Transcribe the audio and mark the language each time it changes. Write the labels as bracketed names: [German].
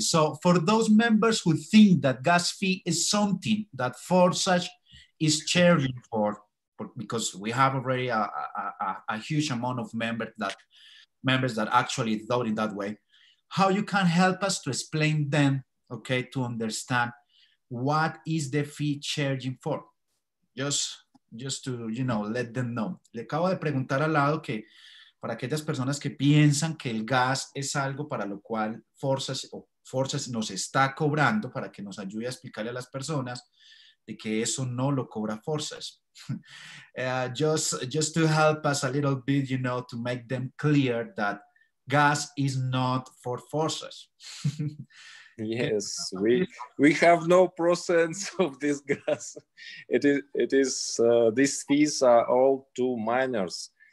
[English] So for those members who think that gas fee is something that Forsage is charging for, because we have already a huge amount of members that actually thought in that way, how you can help us to explain them, okay, to understand what is the fee charging for? Just to, you know, let them know. [Spanish] Le acabo de preguntar al Lado que para aquellas personas que piensan que el gas es algo para lo cual Forsage nos está cobrando, para que nos ayude a explicarle a las personas de que eso no lo cobra Forsage. [English] just to help us a little bit, you know, to make them clear that gas is not for Forsage. Yes, we have no percent of this gas. It is these fees are all to miners.